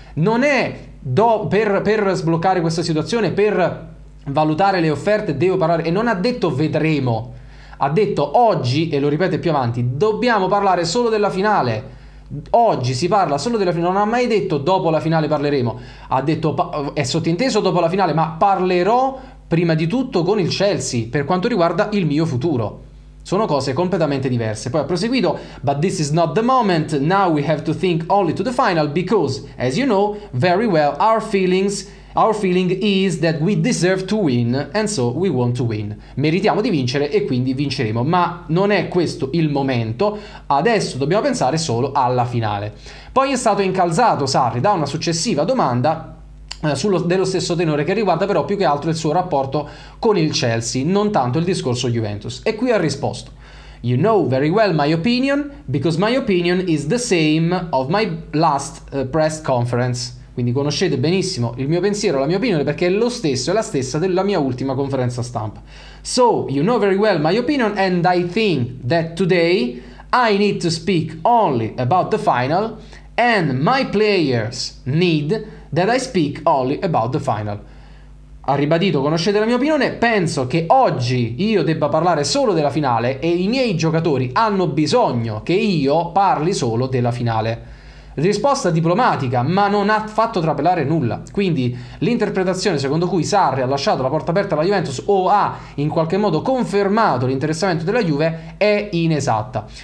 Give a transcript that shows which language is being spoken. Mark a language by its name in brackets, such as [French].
[Italian] Non è per sbloccare questa situazione, per valutare le offerte devo parlare, e non ha detto vedremo, ha detto oggi, e lo ripete più avanti, dobbiamo parlare solo della finale, oggi si parla solo della finale. Non ha mai detto dopo la finale parleremo, ha detto è sottinteso dopo la finale, ma parlerò prima di tutto con il Chelsea per quanto riguarda il mio futuro. Sono cose completamente diverse. Poi ha proseguito: [English] but this is not the moment, now we have to think only to the final, because as you know very well, our feeling is that we deserve to win and so we want to win. [Italian] Meritiamo di vincere e quindi vinceremo, ma non è questo il momento, adesso dobbiamo pensare solo alla finale. Poi è stato incalzato Sarri da una successiva domanda dello stesso tenore, che riguarda però più che altro il suo rapporto con il Chelsea, non tanto il discorso Juventus. E qui ha risposto: [English] you know very well my opinion, because my opinion is the same of my last press conference. [Italian] Quindi conoscete benissimo il mio pensiero, la mia opinione, perché è lo stesso, è la stessa della mia ultima conferenza stampa. [English] So you know very well my opinion, and I think that today I need to speak only about the final, and my players need that I speak only about the final. [Italian] Ha ribadito: conoscete la mia opinione, penso che oggi io debba parlare solo della finale e i miei giocatori hanno bisogno che io parli solo della finale. Risposta diplomatica, ma non ha fatto trapelare nulla. Quindi l'interpretazione secondo cui Sarri ha lasciato la porta aperta alla Juventus o ha in qualche modo confermato l'interessamento della Juve è inesatta.